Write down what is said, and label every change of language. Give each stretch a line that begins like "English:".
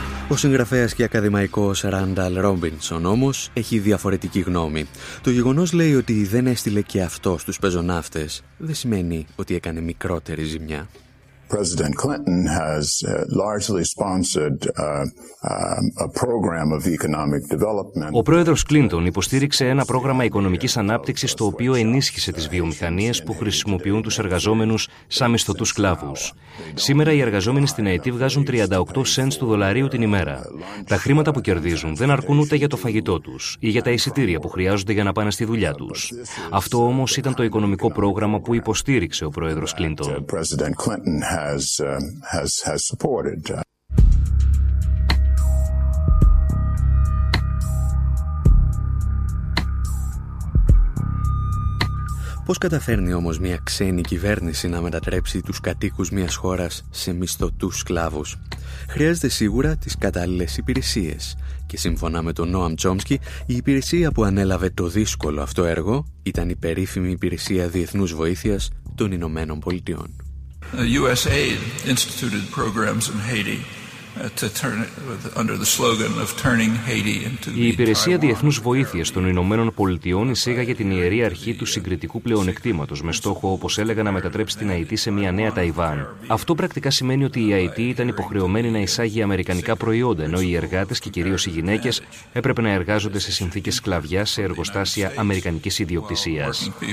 Greek: Ο συγγραφέας και ακαδημαϊκός Ράνταλ Ρόμπινσον όμως έχει διαφορετική γνώμη. Το γεγονός, λέει, ότι δεν έστειλε και αυτό στους πεζοναύτες δεν σημαίνει ότι έκανε μικρότερη ζημιά.
English: President Clinton has largely sponsored a program of economic development.
Greek: Ο πρόεδρος Κλίντον υποστήριξε ένα πρόγραμμα οικονομικής ανάπτυξης το οποίο ενίσχυσε τις βιομηχανίες που χρησιμοποιούν τους εργαζόμενους σαν μισθωτούς σκλάβους. Σήμερα οι εργαζόμενοι στην ΑΕΤ βγάζουν 38 σέντς του δολαρίου την ημέρα. Τα χρήματα που κερδίζουν δεν αρκούν ούτε για το φαγητό τους ή για τα εισιτήρια που χρειάζονται για να πάνε στη δουλειά τους. Αυτό όμως ήταν το οικονομικό πρόγραμμα που υποστήριξε ο πρόεδρος Κλίντον.
English: Has supported.
Greek: Πώς καταφέρνει όμως μια ξένη κυβέρνηση να μετατρέψει τους κατοίκους μιας χώρας σε μισθωτούς σκλάβους? Χρειάζεται σίγουρα τις κατάλληλες υπηρεσίες. Και σύμφωνα με τον Νόαμ Τσόμσκι, η υπηρεσία που ανέλαβε το δύσκολο αυτό έργο ήταν η περίφημη Υπηρεσία Διεθνούς Βοήθειας των Ηνωμένων Πολιτειών.
English: The USAID instituted programs in Haiti to turn it under the slogan of turning Haiti into the.
Greek: Η Υπηρεσία Διεθνούς Βοήθειας των Ηνωμένων Πολιτειών εισήγαγε την ιερή αρχή του συγκριτικού πλεονεκτήματος με στόχο, όπως έλεγα, να μετατρέψει την Αϊτή σε μια νέα Ταϊβάν. Αυτό πρακτικά σημαίνει ότι η Αϊτή ήταν υποχρεωμένη να εισάγει αμερικανικά προϊόντα, ενώ οι εργάτες και κυρίως οι γυναίκες έπρεπε να εργάζονται σε συνθήκες σκλαβιάς σε εργοστάσια αμερικανικής ιδιοκτησίας.